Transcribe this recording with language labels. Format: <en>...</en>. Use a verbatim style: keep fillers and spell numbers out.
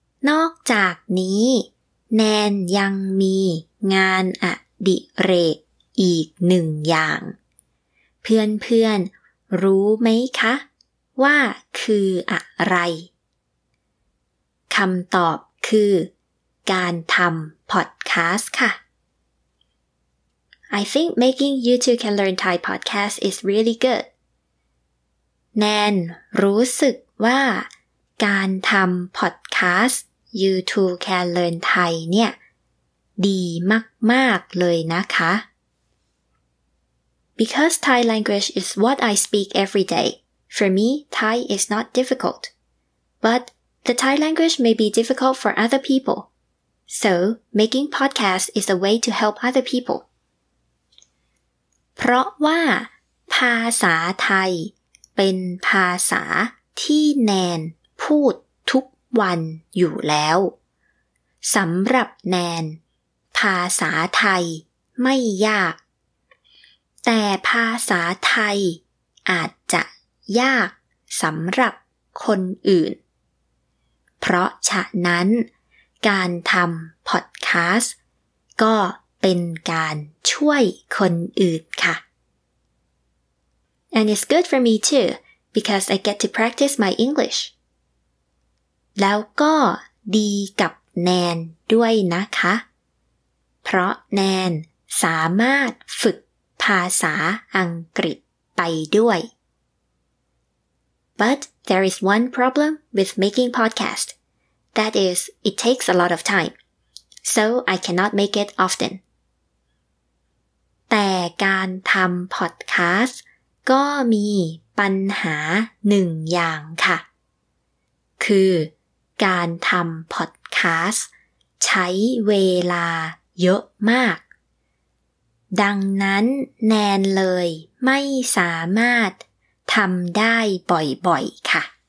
<th>นอกจากนี้แนนยังมีงานอดิเรกอีกหนึ่งอย่างเพื่อนๆรู้ไหมคะ ว่าคืออะไรคำตอบคือการทำพอดคาสต์ค่ะ</th> <en>I think making YouTube Can Learn Thai podcast is really good.</en> <th>แนนรู้สึกว่าการทำพอดคาสต์ YouTube Can Learn Thai เนี่ยดีมากๆเลยนะคะ</th> <en>Because Thai language is what I speak every day. For me, Thai is not difficult. But the Thai language may be difficult for other people. So, making podcasts is a way to help other people.</en> <th>เพราะว่าภาษาไทยเป็นภาษาที่แนนพูดทุกวันอยู่แล้วสำหรับแนนภาษาไทยไม่ยาก แต่ภาษาไทยอาจจะยากสำหรับคนอื่นเพราะฉะนั้นการทำพอดคาสต์ก็เป็นการช่วยคนอื่นค่ะ</th> <en>And it's good for me too because I get to practice my English</en> <th>แล้วก็ดีกับแนนด้วยนะคะเพราะแนนสามารถฝึกภาษาอังกฤษไปด้วย</th> <en>But there is one problem with making podcast. That is, it takes a lot of time. So I cannot make it often.</en> <th>แต่การทำพอดคาสต์ก็มีปัญหาหนึ่งอย่างค่ะคือการทำพอดคาสต์ใช้เวลาเยอะมากดังนั้นแนนเลยไม่สามารถทำได้บ่อยๆค่ะ</th>